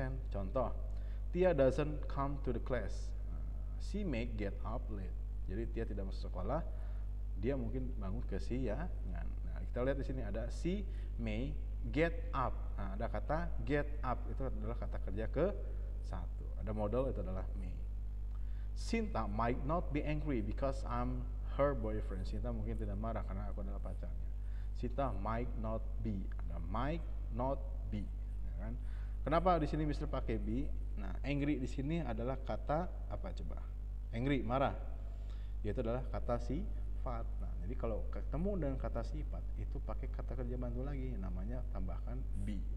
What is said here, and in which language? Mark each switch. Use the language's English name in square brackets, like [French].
[Indonesian] Contoh, [English] Tia doesn't come to the class. She may get up late. [Indonesian] Jadi Tia tidak masuk sekolah, dia mungkin bangun kesiangan. Nah, kita lihat di sini ada [English] she may get up. [Indonesian] Nah, ada kata get up, itu adalah kata kerja ke satu. Ada modal, itu adalah may. [English] Sinta might not be angry because I'm her boyfriend. [Indonesian] Sinta mungkin tidak marah karena aku adalah pacarnya. [English] Sinta might not be. [Indonesian] Ada [English] might not be. [Indonesian] Ya kan? Kenapa di sini Mister pakai be? Nah, angry di sini adalah kata apa coba? Angry, marah. Yaitu adalah kata sifat. Nah, jadi kalau ketemu dengan kata sifat itu pakai kata kerja bantu lagi, namanya tambahkan be.